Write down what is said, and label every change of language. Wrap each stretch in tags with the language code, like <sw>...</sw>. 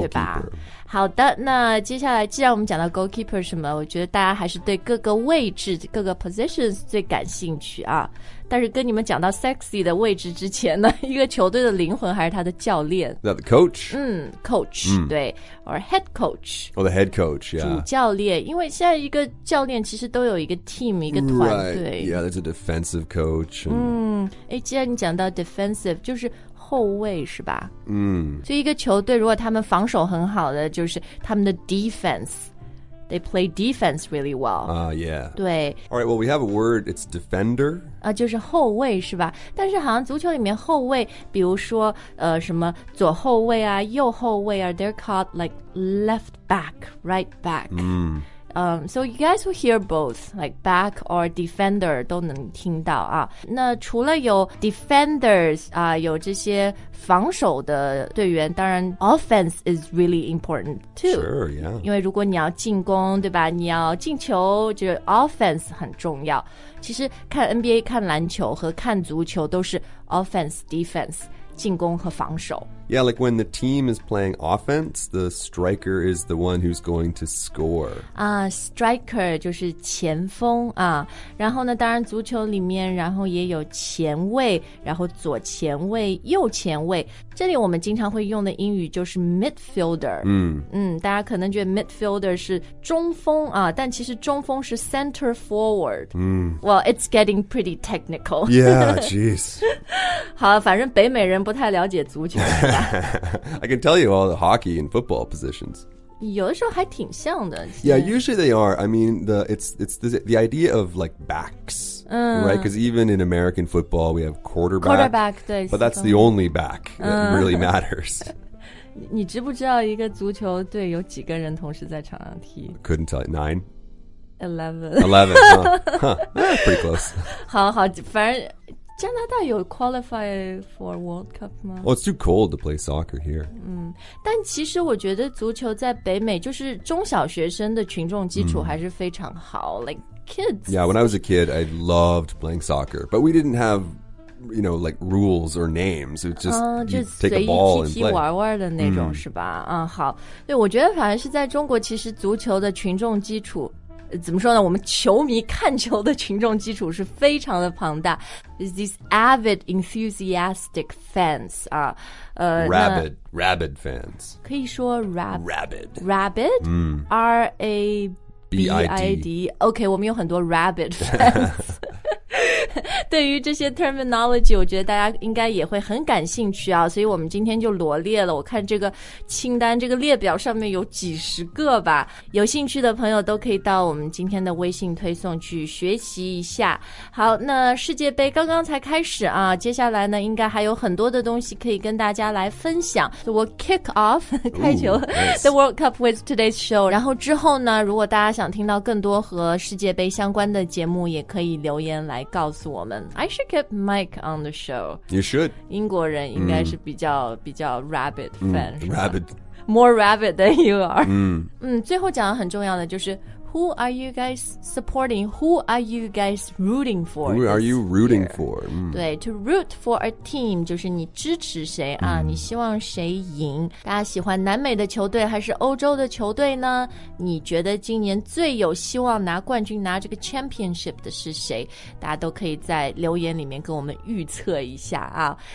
<zh>对吧好的那接下来既然我们讲到 goalkeeper 什么我觉得大家还是对各个位置各个 positions 最感兴趣啊但是跟你们讲到 sexy 的位置之前呢一个球队的灵魂还是他的教练</zh> <en>Is that the coach? Coach、mm. 对 or head coach Oh the head coach yeah</en> <zh>主教练因为现在一个教练其实都有一个 team 一个团队、</zh> <en>right. Yeah there's a defensive coach and...</en> <zh>既然你讲到 defensive 就是后卫是吧嗯所以一个球队如果他们防守很好的就是他们的 defense</zh> <en>they play defense really well yeah</en> <zh>对</zh> <en>alright well we have a word it's defender</en> <zh>就是后卫是吧但是好像足球里面后卫比如说什么左后卫啊右后卫啊</zh> <en>they're called like left back right back mm. So you guys will hear both like back or defender</en> <zh>都能听到啊那除了有</zh> <en>defenders</en> <zh>啊有这些防守的队员当然</zh> <en>offense is really important too sure yeah</en> <zh>因为如果你要进攻对吧你要进球就是 offense 很重要其实看 NBA 看篮球和看足球都是 offense defense 进攻和防守。</zh> <en>Yeah, like when the team is playing offense, the striker is the one who's going to score.</en> <zh>Striker 就是前锋啊。然后呢，当然足球里面，然后也有前卫，然后左前卫、右前卫。这里我们经常会用的英语就是 midfielder。大家可能觉得 midfielder 是中锋啊，但其实中锋是 center forward。</zh> <en>Well, it's getting pretty technical. Yeah, jeez.</en> <zh>好，反正北美人不太了解足球。</zh> <en>I can tell you all the hockey and football positions.</en> <zh>有的时候还挺像的。</zh> <en>Yeah, usually they are. I mean, it's the idea of like backs, right? Because even in American football, we have quarterback,</en> <zh>对。</zh> <en>But that's the only back that really matters.</en> <zh>你知不知道一个足球队有几个人同时在场上踢？</zh> <en>Couldn't tell you. 9? 11. 11, huh? Pretty close.</en> <zh>好，反正加拿大有</zh> <en>qualify for World Cup</en> <zh>吗？</zh> <en>Well, it's too cold to play soccer here.</en> <zh>但其实我觉得足球在北美就是中小学生的群众基础还是非常好。</zh> <en>Like kids. Yeah, when I was a kid, I loved playing soccer. But we didn't have, you know, like rules or names. It was just take a ball and play.</en> <zh>随意踢踢玩玩的那种是吧？好。对，我觉得反而是在中国其实足球的群众基础怎么说呢？我们球迷看球的群众基础是非常的庞大。</zh> <en>Is these avid, enthusiastic fans? Rabid fans.</en> <zh>可以说 rabid.</zh> <en>Rabid. Rabid? R-A-B-I-D.</en> <zh>Okay, 我们有很多 rabid fans. 对于这些 terminology, 我觉得大家应该也会很感兴趣啊，所以我们今天就罗列了，我看这个清单，这个列表上面有几十个吧，有兴趣的朋友都可以到我们今天的微信推送去学习一下。好，那世界杯刚刚才开始啊，接下来呢应该还有很多的东西可以跟大家来分享。</zh> <en>So we'll kick off,</en> <zh>开球</zh> <en>Ooh, nice. The World Cup with today's show,</en> <zh>然后之后呢，如果大家想听到更多和世界杯相关的节目，也可以留言来告诉我们。</zh> <en>I should get Mike on the show. You should.</en> <zh>英国人应该是比较 rabbit fan.</zh> <en>Rabbit. More rabbit than you are.</en> <zh>最后讲的很重要的就是</zh> <en>Who are you guys supporting? Who are you guys rooting for? Who are you rooting for?</en> <zh>对 ,</zh> <en>to root for a team</en> <zh>就是你支持谁啊、你希望谁赢。大家喜欢南美的球队还是欧洲的球队呢？你觉得今年最有希望拿冠军拿这个 championship 的是谁？大家都可以在留言里面跟我们预测一下啊。</zh>